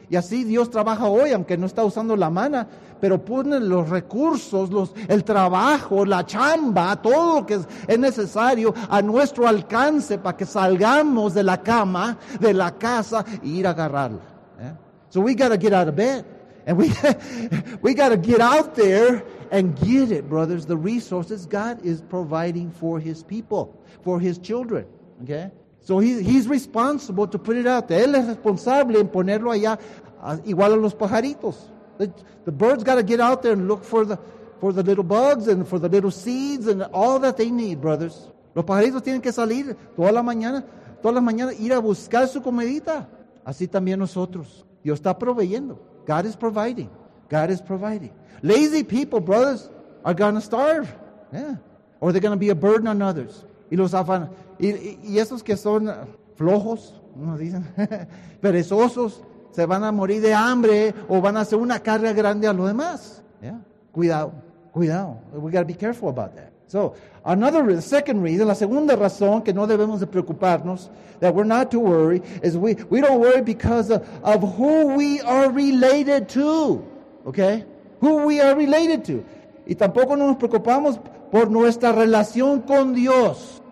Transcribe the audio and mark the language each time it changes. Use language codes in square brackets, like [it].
[es] Y así Dios trabaja hoy, aunque no está usando la manna, pero pone los recursos, el trabajo, la chamba, todo lo que es necesario a nuestro alcance para que salgamos de la cama, de la casa, e ir a agarrarla. [en] So we got to get out of bed. And we got to get out there and get it, brothers, the resources God is providing for his people, for his children, okay? So he's responsible to put it out there. [es] Él es responsable en ponerlo allá, igual a los pajaritos. [en] The birds got to get out there and look for the little bugs and for the little seeds and all that they need, brothers. [es] Los pajaritos tienen que salir todas las mañanas, ir a buscar su comidita. Así también nosotros. Dios está proveyendo. [en] God is providing. God is providing. Lazy people, brothers, are going to starve. Yeah. Or they're going to be a burden on others. [es] Y los y esos que son flojos, como dicen, perezosos, se van a morir de hambre o van a hacer una carga grande a los demás. [en] Yeah. [es] Cuidado. [en] We got to be careful about that. So, [es] la segunda razón que no debemos de preocuparnos, [en] that we're not to worry, is we don't worry because of who we are related to. Okay? Who we are related to. [es] Y tampoco nos preocupamos por nuestra relación con Dios.